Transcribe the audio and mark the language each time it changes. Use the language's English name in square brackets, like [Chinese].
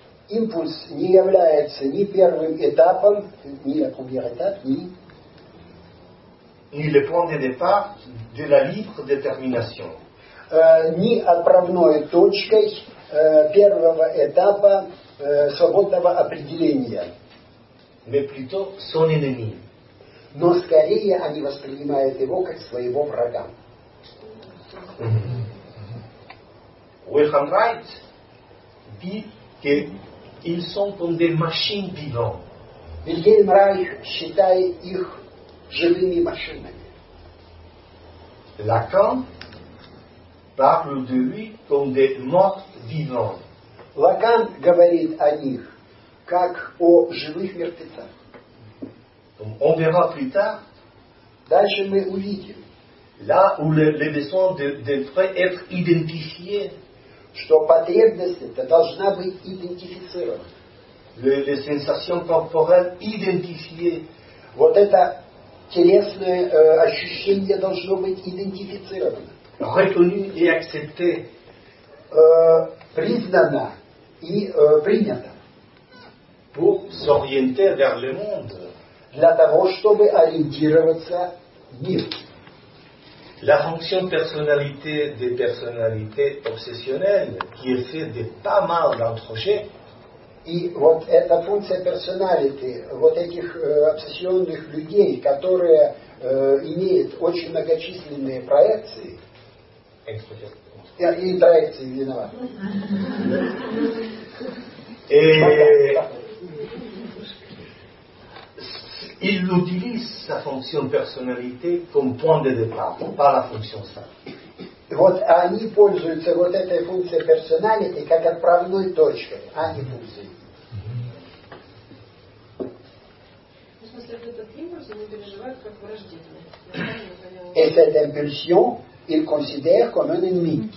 [Russian] Импульс не является ни первым этапом, ни [French] la première étape, ni ni le point de départ de la libre détermination. [Russian] Ни отправной точкой первого этапа свободного определения. [French] Mais plutôt son ennemi. [Russian] Но скорее они воспринимают его как своего врага. [French] Wilhelm Reich dit que ils sont comme des machines vivantes. [Russian] Wilhelm Reich считает их живыми машинами. [French] Lacan parle de lui comme des morts vivants. [Russian] Lacan говорит о них как о живых мертвецах. [French] On verra plus tard. [Russian] Дальше мы увидим. [French] Là où les besoins devraient être identifiés. [Russian] Что потребность эта должна быть идентифицирована. [French] Les sensations corporelles identifiées. [Russian] Вот это телесное ощущение должно быть идентифицировано. [French] Reconnu et accepté. [Russian] Признано и принято. [French] Pour s'orienter vers le monde. [Russian] Для того, чтобы ориентироваться в мир. [French] La fonction personnalité des personnalités obsessionnelles, qui est faite de pas mal d'entrejets. [Russian] И вот эта функция personnalité, вот этих обсессионных людей, которые имеют очень многочисленные проекции. Экспрессионные. И проекции, виноват. [French] Et... il utilise sa fonction de personnalité comme point de départ, pas la fonction sainte. [Russian] Вот они пользуются вот этой функцией personality как отправной точкой, а не функцией. В смысле, этот импульс, они переживают как враждебный. Эта импульсион, [French] il considère comme un ennemi.